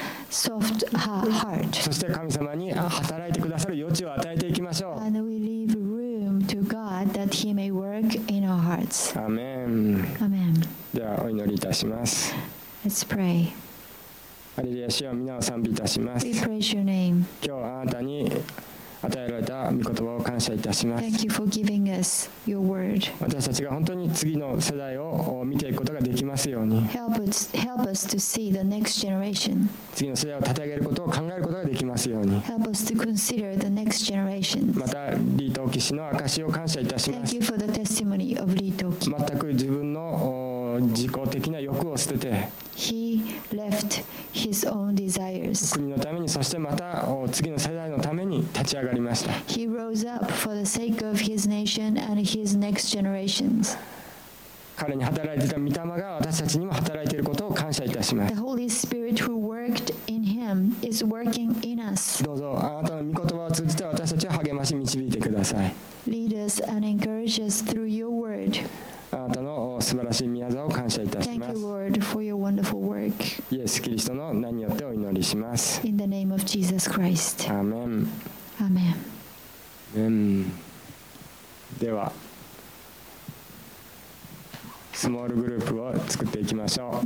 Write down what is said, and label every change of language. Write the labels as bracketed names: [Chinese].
[Japanese] して神様に働いてくださる余地を与えていきましょう。 [English] And we leave room to God that he may work in our hearts. Amen. Amen. [Japanese] ではお祈りいたします。 [English] Let's pray. [Japanese] ハレルヤ、主よ、皆を賛美いたします。 [English] We praise your name. [Japanese] 今日あなたに与えられた御言葉を感謝いたします。 [English] Thank you for giving us your word. [Japanese] 私たちが本当に次の世代を見ていくことができますように、 [English] help us to see the next generation. [Japanese] 次の世代を立て上げることを考えることができますように、 [English] help us to consider the next generation. [Japanese] またリートーキ氏の証を感謝いたします。 [English] Thank you for the testimony of リートーキ。 [Japanese] 全く自分の自己的な欲を捨てて、 [English] He left his own desires. [Japanese] 国のために、そしてまた次の世代のために立ち上がりました。 [English] He rose up for the sake of his nation and his next generations. [Japanese] 彼に働いていた御霊が私たちにも働いていることを感謝いたします。 [English] The Holy Spirit who worked in him is working in us. [Japanese] どうぞあなたの御言葉を通じて私たちを励まし導いてください。 [English] Lead us and encourage us through your word. [Japanese] あなたの素晴らしい宮沢を感謝いたします。 [English] Thank you, Lord, for your wonderful work. [Japanese] イエス・キリストの名によってお祈りします。 [English] In the name of Jesus Christ. [Japanese] アーメン。アーメン。ではスモールグループを作っていきましょう。